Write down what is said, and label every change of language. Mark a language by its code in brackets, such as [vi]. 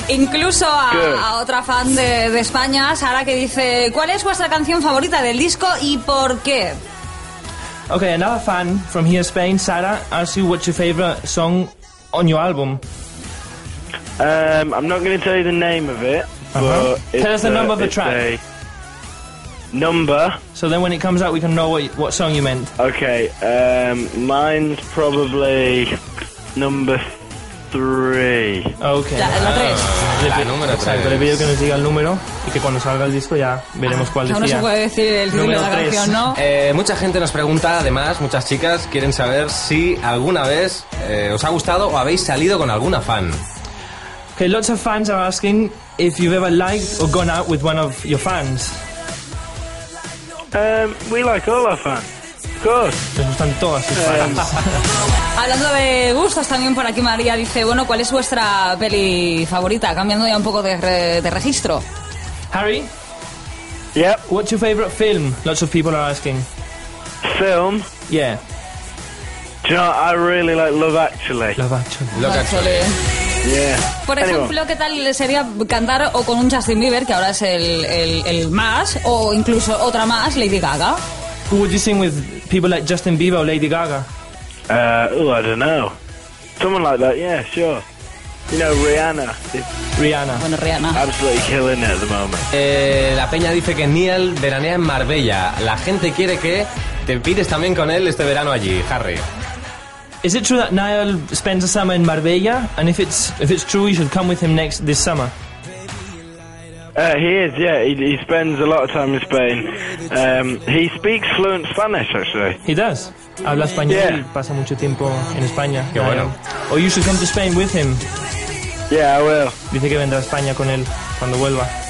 [es] Incluso a otra fan de España, Sara, que dice, ¿cuál es vuestra canción favorita del disco y por qué? [en] Okay, another fan from here, Spain, Sara, asks you what's your favorite song on your album. I'm not going to tell you the name of it. Uh-huh. Tell us the number of the track. Number. So then when it comes out, we can know what song you meant. Okay, mine's probably number 3. Okay. [es] La tres. Le pido que nos diga el número y que cuando salga el disco ya veremos cuál decía. No se puede decir el número de la tres. Canción, ¿no? Mucha gente nos pregunta, además, muchas chicas quieren saber si alguna vez os ha gustado o habéis salido con alguna fan. [en] Okay, lots of fans are asking if you've ever liked or gone out with one of your fans. We like all our fans. Of course. [es] Les gustan todas sus fans. Hablando de gustos, también por aquí María dice, bueno, ¿cuál es vuestra peli favorita? Cambiando ya un poco de registro. [en] Harry? Yep. What's your favorite film? Lots of people are asking. Film? Yeah. Do you know what? I really like Love Actually. Love Actually. Yeah. [es] Por ejemplo, ¿qué tal sería cantar o con un Justin Bieber, que ahora es el más, o incluso otra más, Lady Gaga? [en] Who would you sing with, people like Justin Bieber or Lady Gaga? I don't know. Someone like that, yeah, sure. You know, Rihanna. Rihanna. [es] Bueno, Rihanna. [en] Absolutely killing it at the moment. [es] La peña dice que Neil veranea en Marbella. La gente quiere que te pides también con él este verano allí, Harry. [en] Is it true that Niall spends a summer in Marbella? And if it's true, you should come with him this summer. He is, yeah. He spends a lot of time in Spain. He speaks fluent Spanish, actually. He does. [es] Habla español. [en] Yeah. [es] Pasa mucho tiempo en España. Qué bueno. [en] Or you should come to Spain with him. Yeah, I will. [es] Dice que vendrá a España con él cuando vuelva.